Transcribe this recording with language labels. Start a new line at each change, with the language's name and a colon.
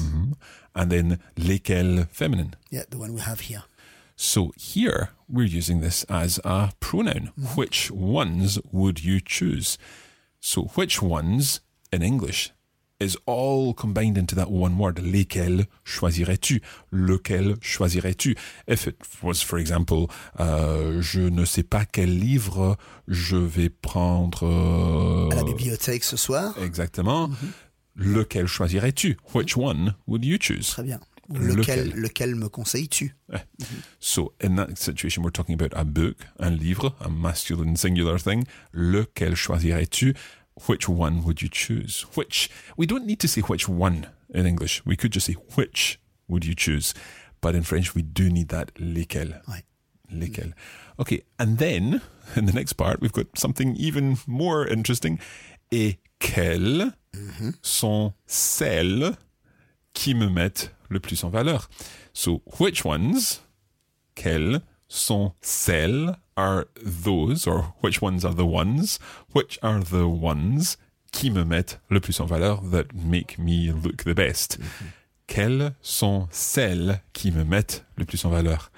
English: Mm-hmm. And then lesquelles, feminine. Yeah, the one we have here. So here, we're using this as a pronoun. Mm-hmm. Which ones would you choose? So which ones, in English, is all combined into that one word.
French: Lesquels choisirais-tu? Lequel choisirais-tu?
English: If it was, for example,
French: je ne sais pas quel livre je vais prendre... à la bibliothèque ce soir.
English: Exactement. Mm-hmm.
French: Lequel choisirais-tu?
English: Which one would you choose?
French: Très bien. Lequel me conseilles-tu? Ouais.
English: Mm-hmm. So, in that situation, we're talking about a book, un livre, a masculine singular thing.
French: Lequel choisirais-tu?
English: Which one would you choose? Which? We don't need to say which one in English. We could just say which would you choose. But in French, we do need that lesquels.
French: Oui. Lesquels.
English: Okay, and then in the next part, we've got something even more interesting.
French: Et quelles sont celles qui me mettent le plus en valeur?
English: So, which ones,
French: quelles sont celles
English: are those, or which ones are the ones, which are the ones
French: qui me mettent le plus en valeur,
English: that make me look the best. Mm-hmm.
French: Quelles sont celles qui me mettent le plus en valeur?